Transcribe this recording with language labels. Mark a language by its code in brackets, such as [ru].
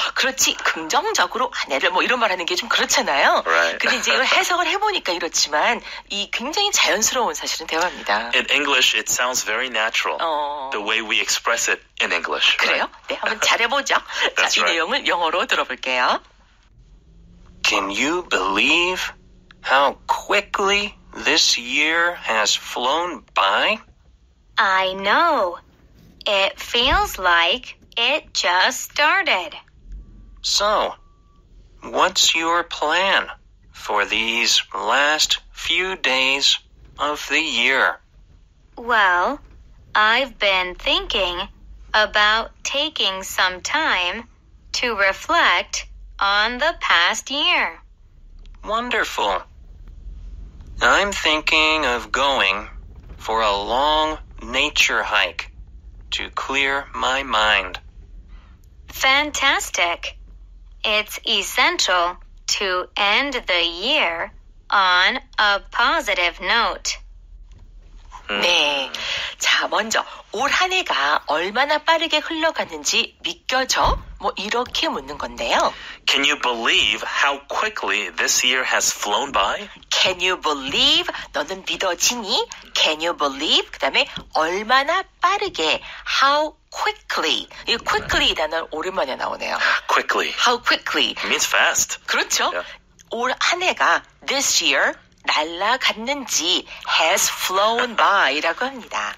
[ko] 그렇지, 긍정적으로 아내를 뭐 이런 말 하는 게 좀 그렇잖아요. [en] Right. [ko] 근데 이제 이걸 해석을 해보니까 이렇지만 이 굉장히 자연스러운 사실은 대화입니다. [en] In English, it sounds very natural. The way we express it in English. [ko] 그래요? [en] Right. [ko] 네, 한번 잘해보죠. 자, 이 내용을 영어로 들어볼게요. [en] Can you believe how quickly this year has flown by? I know. It feels like it just started. So, what's your plan for these last few days of the year? Well, I've been thinking about taking some time to reflect on the past year. Wonderful. I'm thinking of going for a long nature hike to clear my mind. Fantastic. It's essential to end the year on a positive note. [ko] 네. 자, 먼저 올 한 해가 얼마나 빠르게 흘러갔는지 믿겨져? 뭐 이렇게 묻는 건데요. [en] Can you believe how quickly this year has flown by? Can you believe? [ko] 너는 믿어지니? [en] Can you believe? [ko] 그 다음에 얼마나 빠르게? [en] How quickly? [ko] 이 quickly 단어 오랜만에 나오네요. [en] Quickly. How quickly? It means fast. [ko] 그렇죠. Yeah. 올 한 해가 [en] this year [ko] 날아갔는지 [en] has flown by [ko] 라고 합니다.